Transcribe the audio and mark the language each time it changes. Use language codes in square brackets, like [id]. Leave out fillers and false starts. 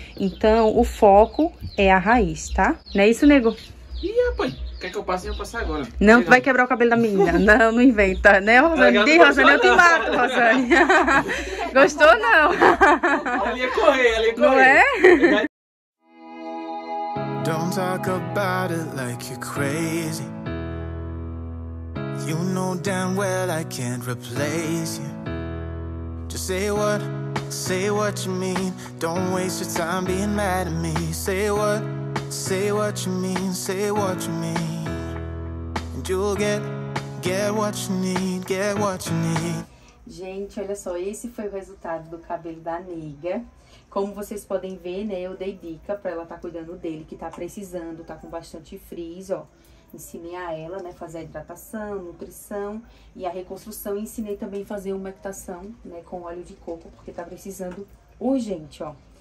[pt] Então, o foco é a raiz, tá? Não é isso, nego? Ih, rapaz. Quer que eu passe? Eu vou passar agora. Não, tu vai quebrar o cabelo da menina. Não, não inventa. Né, Rosane? Tem, Rosane, eu te mato, Rosane. Gostou, não? Ela ia correr, ela ia correr. Não é? [en] Don't talk about it like you're crazy. You know damn well I can't replace you. Just say what you mean. Don't waste your time being mad at me. Say what you mean, say what you mean. And you'll get what you need, get what you need. [pt] Gente, olha só, esse foi o resultado do cabelo da nega. Como vocês podem ver, né, eu dei dica pra ela tá cuidando dele, que tá precisando, tá com bastante frizz, ó. Ensinei a ela, né, fazer a hidratação, nutrição e a reconstrução. Ensinei também fazer umectação, né, com óleo de coco, porque tá precisando urgente, ó.